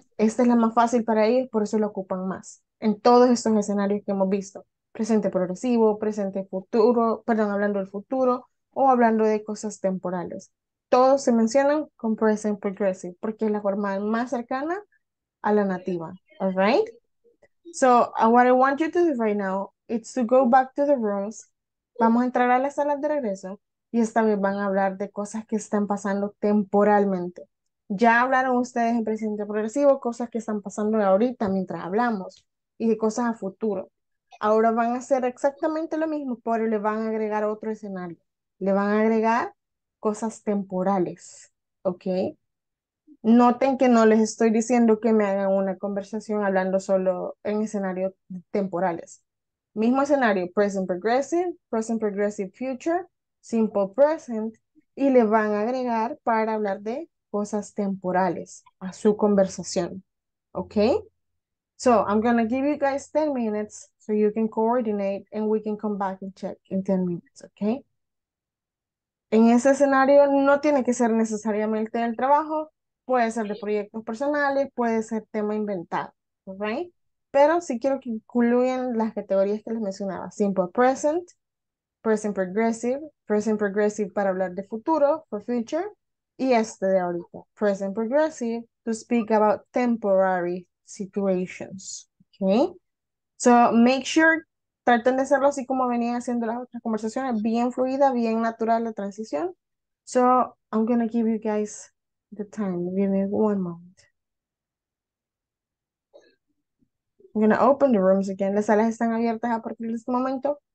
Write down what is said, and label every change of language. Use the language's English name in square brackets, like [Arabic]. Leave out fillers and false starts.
[Spanish] Esta es la más fácil para ellos, por eso la ocupan más. En todos estos escenarios que hemos visto. Presente progresivo, presente futuro, perdón, hablando del futuro o hablando de cosas temporales. Todos se mencionan con present progressive porque es la forma más cercana a la nativa. [English] All right? So, what I want you to do right now is to go back to the rooms. [Spanish] Vamos a entrar a las salas de regreso y esta vez van a hablar de cosas que están pasando temporalmente. Ya hablaron ustedes en presente progresivo, cosas que están pasando ahorita mientras hablamos y de cosas a futuro. Ahora van a hacer exactamente lo mismo, pero le van a agregar otro escenario. Le van a agregar cosas temporales, ¿ok? Noten que no les estoy diciendo que me hagan una conversación hablando solo en escenarios temporales. Mismo escenario, present progressive future, simple present, y le van a agregar para hablar de cosas temporales a su conversación. ¿Ok? [English] So, I'm going to give you guys 10 minutes so you can coordinate and we can come back and check in 10 minutes. ¿Ok? [Spanish] En ese escenario no tiene que ser necesariamente el trabajo. Puede ser de proyectos personales, puede ser tema inventado, right? Pero sí quiero que incluyan las categorías que les mencionaba. [English] Simple present, present progressive [Spanish] para hablar de futuro, [English] for future, [Spanish] y este de ahorita, [English] present progressive to speak about temporary situations, okay? So make sure, [Spanish] traten de hacerlo así como venían haciendo las otras conversaciones, bien fluida, bien natural la transición. [English] So I'm going to give you guys the time, give me 1 moment. I'm gonna open the rooms again. [Spanish] Las salas están abiertas a partir de este momento.